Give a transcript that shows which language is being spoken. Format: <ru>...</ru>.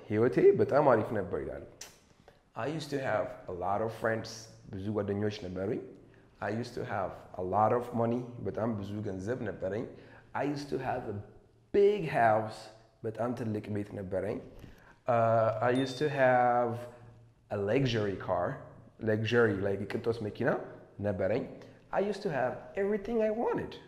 <am>ህይወቴ በጣም አሪፍ ነበር ይላል.</am> <en>I used to have a lot of friends.</en> <am>ብዙ ጓደኞች ነበሩኝ.</am> <en>I used to have a lot of money.</en> <am>በጣም ብዙ ገንዘብ ነበረኝ.</am> <en>I used to have a big house.</en> <am>በጣም ትልቅ ቤት ነበረኝ.</am> <en>I used to have a luxury car.</en> <am>Luxury like ቅንጦት መኪና ነበረኝ.</am> <en>I used to have everything I wanted.</en>